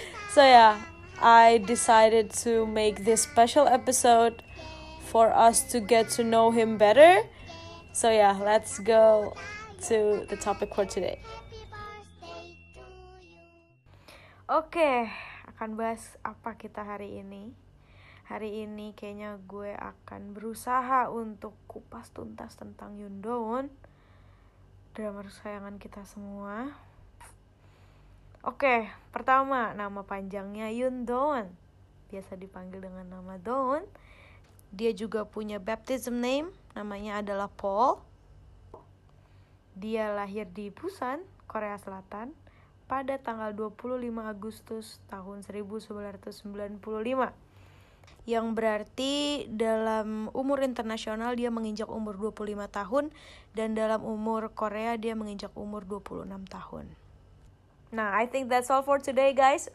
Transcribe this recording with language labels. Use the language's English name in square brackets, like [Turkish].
[English] So yeah, I decided to make this special episode for us to get to know him better. So yeah, let's go to the topic for today. [Indonesian] Oke, akan bahas apa kita hari ini. Hari ini kayaknya gue akan berusaha untuk kupas tuntas tentang Yoon, drama kesayangan kita semua. Oke, pertama nama panjangnya Yoon, biasa dipanggil dengan nama Dowoon. Dia juga punya baptism name, namanya adalah Paul. Dia lahir di Busan, Korea Selatan, pada tanggal 25 Agustus tahun 1995. Yang berarti dalam umur internasional dia menginjak umur 25 tahun, dan dalam umur Korea dia menginjak umur 26 tahun. [English] Nah, I think that's all for today, guys.